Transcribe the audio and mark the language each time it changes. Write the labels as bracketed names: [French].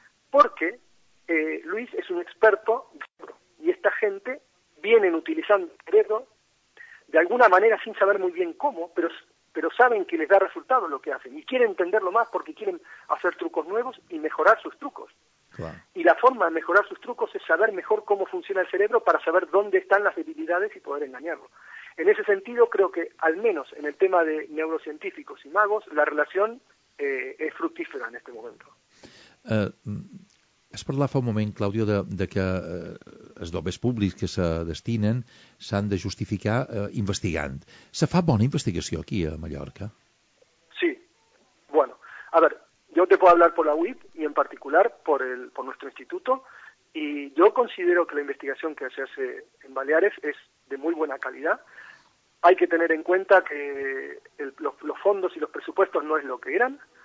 [Spanish] Porque Luis es un experto y esta gente viene utilizando el cerebro de alguna manera sin saber muy bien cómo, pero saben que les da resultado lo que hacen y quieren entenderlo más porque quieren hacer trucos nuevos y mejorar sus trucos. Claro. Y la forma de mejorar sus trucos es saber mejor cómo funciona el cerebro para saber dónde están las debilidades y poder engañarlo. En ese sentido, creo que al menos en el tema de neurocientíficos y magos, la relación es fructífera en este momento. [Catalan] Has parlat fa un moment, Claudio, de que els dobles públics que se destinen s'han de justificar investigant. Se fa bona investigació aquí a Mallorca? Sí. [Spanish] Bueno, a ver, yo te puedo hablar por la UIP y en particular por nuestro instituto, y yo considero que la investigación que se hace en Baleares es de muy buena calidad. Hay que tener en cuenta que los fondos y los presupuestos no es lo que eran.